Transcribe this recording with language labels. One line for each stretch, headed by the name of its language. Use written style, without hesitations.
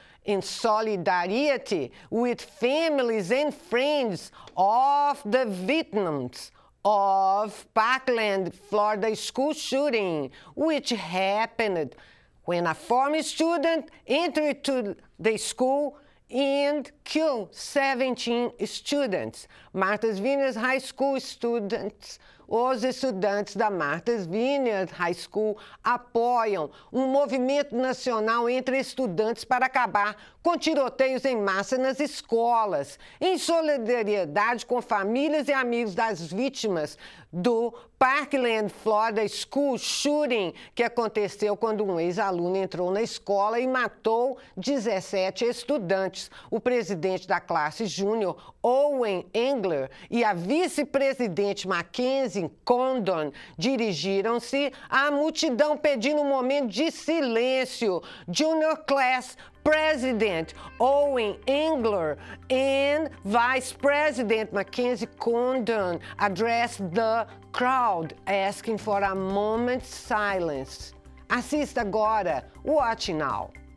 English: in solidarity with families and friends of the victims of Parkland, Florida school shooting, which happened when a former student entered to the school and killed 17 students. Martha's Vineyard High School students,
Portuguese: os estudantes da Martha's Vineyard High School, apoiam um movimento nacional entre estudantes para acabar com tiroteios em massa nas escolas, em solidariedade com famílias e amigos das vítimas do Parkland, Florida School Shooting, que aconteceu quando um ex-aluno entrou na escola e matou 17 estudantes. O presidente da classe júnior, Owen Engler, e a vice-presidente Mackenzie Condon dirigiram-se à multidão pedindo um momento de silêncio.
English: Junior class president Owen Engler and vice-president Mackenzie Condon addressed the crowd asking for a moment's silence.
Portuguese: Assista agora.
English: Watch now.